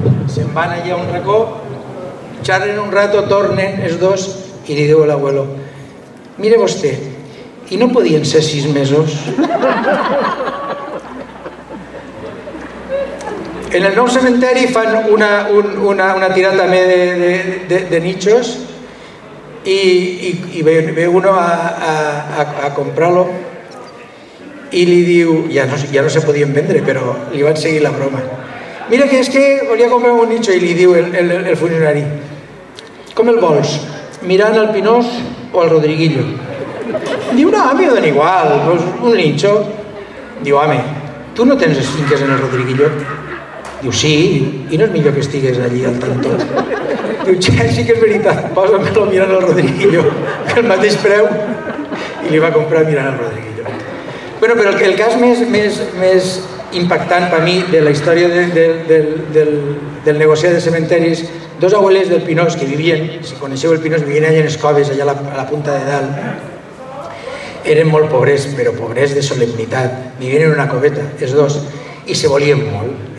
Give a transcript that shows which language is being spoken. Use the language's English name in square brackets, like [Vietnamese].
[Catalan] Se'n van allà a un racó, xerren un rato, tornen els dos i li diu a l'abuelo, mire vostè, i no podien ser 6 mesos? En el nou cementeri fan una tirada també de nínxols [Spanish] I ve uno a comprarlo y le digo, ya no se podían vender, pero le iban a seguir la broma. Mira, que es que volía a comprar un nicho, y le digo el funcionari, [Catalan] com el vols, mirant al Pinós o al Rodriguillo? Diu, no, a mi dona igual, pues un nicho. Diu, home, tu no tens les finques en el Rodriguillo? Diu, sí, i no és millor que estigues allí al tanto? Diu, ja, sí que és veritat, posa-me-lo mirant al Rodriguillo, que el mateix preu, i li va comprar mirant al Rodriguillo. Bueno, però el cas més impactant per mi de la història del negoci de cementeris, dos abuelos del Pinós que vivien, si coneixeu el Pinós, vivien allà en Escoves, allà a la punta de dalt, eren molt pobres, però pobres de solemnitat, vivien en una coveta, els dos, i se volien molt.